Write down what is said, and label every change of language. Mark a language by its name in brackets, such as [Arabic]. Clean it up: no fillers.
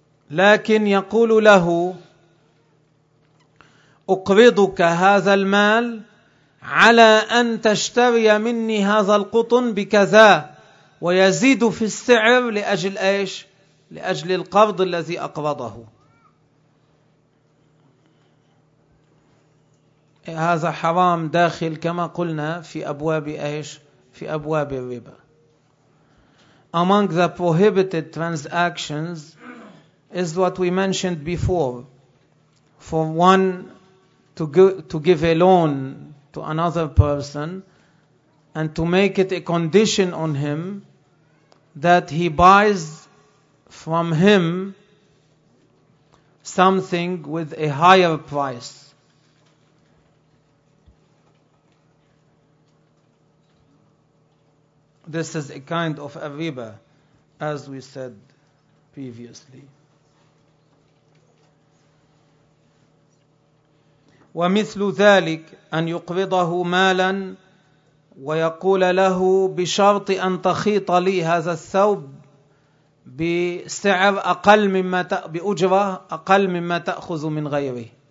[Arabic] لكن يقول له أقرضك هذا المال على أن تشتري مني هذا القطن بكذا، ويزيد في السعر لأجل إيش؟ لأجل القرض الذي أقرضه. هذا حرام داخل، كما قلنا، في أبواب إيش؟ في أبواب الربا. [English] Among the prohibited transactions is what we mentioned before. For one to give a loan to another person and to make it a condition on him that he buys from him something with a higher price. This is a kind of a riba, as we said previously. [Arabic] ومثل ذلك أن يقرضه مالا ويقول له بشرط أن تخيط لي هذا الثوب بسعر أقل مما بأجرة أقل مما تأخذ من غيره.